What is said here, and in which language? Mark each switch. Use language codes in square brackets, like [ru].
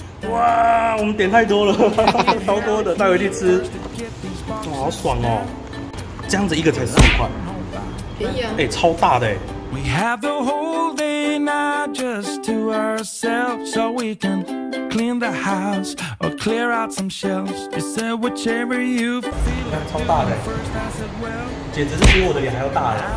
[zh] 哇，我们点太多了，超多的，带回去吃，哇，好爽哦！这样子一个才15块，便宜啊！欸，超大的欸。 [en] We have the whole day now just to ourselves, so we can clean the house or clear out some shelves. You said whichever you feel. [zh] 看，超大的，简直是比我的脸还要大的。